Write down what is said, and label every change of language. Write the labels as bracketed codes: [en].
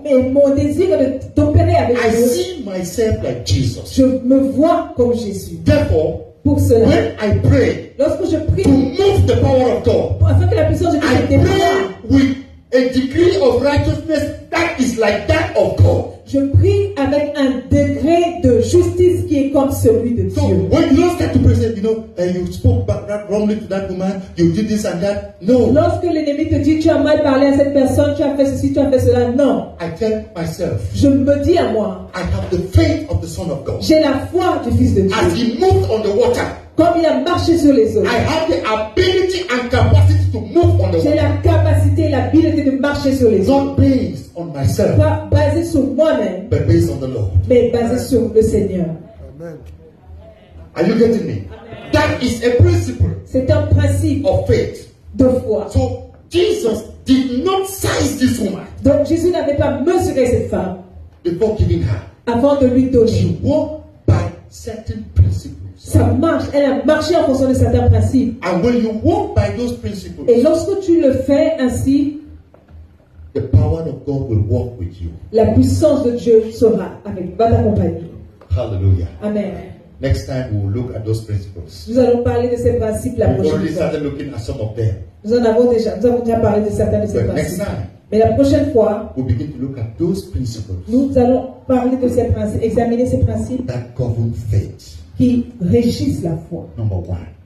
[fr] Mais mon désir est d'opérer avec [en] I [fr] Dieu. [en] I see myself like Jesus. [fr] Je me vois comme Jésus. [en] Therefore, [fr] pour cela, [en] when I pray, [fr] lorsque je prie, [en] to move the power of God, [fr] afin que la puissance de Dieu [en] I pray with a degree of righteousness that is like that of God. [fr] Je prie avec un degré de justice qui est comme celui de Dieu. [en] So when you don't get to present, you know, and you spoke back that wrongly to that woman, you did this and that. No. [fr] Lorsque l'ennemi te dit tu as mal parlé à cette personne, tu as fait ceci, tu as fait cela, non. [en] I tell myself. [fr] Je me dis à moi. [en] I have the faith of the Son of God. [fr] J'ai la foi du Fils de Dieu. [en] As he moved on the water. [fr] Comme il a marché sur les eaux. [en] I have the ability and capacity to move on the water. [fr] J'ai la capacité, l'habileté de marcher sur les eaux. [en] Not based on myself. [fr] Pas basé sur moi-même. [en] But based on the Lord. [fr] Mais basé sur le Seigneur. [en] Amen. Are you getting me? Amen. That is a principle. [fr] C'est un principe [en] of faith. [fr] De foi. [en] So Jesus did not size this woman. [fr] Donc Jésus n'avait pas mesuré cette femme. [en] Before giving her. [fr] Avant de lui donner. [en] He walked by certain principles. [fr] Ça marche, elle a marché en fonction de certains principes. [en] And when you walk by those principles, [fr] et lorsque tu le fais ainsi, [en] the power of God will walk with you. [fr] La puissance de Dieu sera avec, va t'accompagner. [en] Hallelujah. Amen. Next time we will look at those principles. [fr] Nous allons parler de ces principes la prochaine fois. [en] We already started looking at some of them. [fr] Nous avons déjà parlé de certains de ces principes. [en] Next time, [fr] mais la prochaine fois, [en] we begin to look at those principles. [fr] Nous allons parler de ces principes, examiner ces principes. [en] That govern faith. [fr] Qui régissent la foi. [en] Number one.